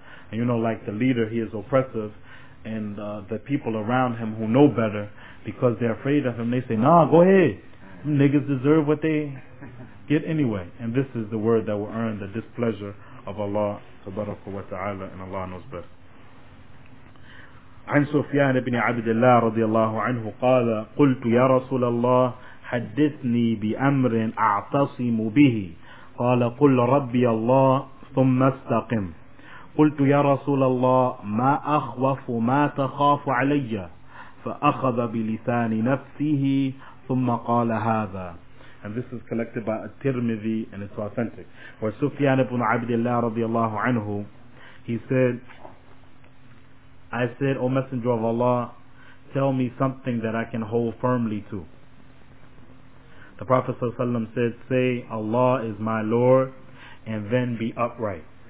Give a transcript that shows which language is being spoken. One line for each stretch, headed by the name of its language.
English: And you know, like the leader, he is oppressive, and the people around him who know better, because they're afraid of him, they say, "Nah, go ahead. Niggas deserve what they get anyway." And this is the word that will earn the displeasure of Allah tabaraka wa ta'ala, and Allah knows best.
Arabic: عن سفيان بن عبد الله رضي الله عنه قال قلت يا رسول الله حدثني بأمر أعتصم به قال قل ربي الله ثم استقم قلت يا رسول الله ما أخوف ما تخاف علي فأخذ بلسان نفسه ثم قال هذا.
English: And this is collected by At-Tirmidhi and it's authentic. Where Sufyan ibn Abdullah radiallahu anhu, he said, I said, O Messenger of Allah, tell me something that I can hold firmly to. The Prophet ﷺ said, say, Allah is my Lord, and then be upright.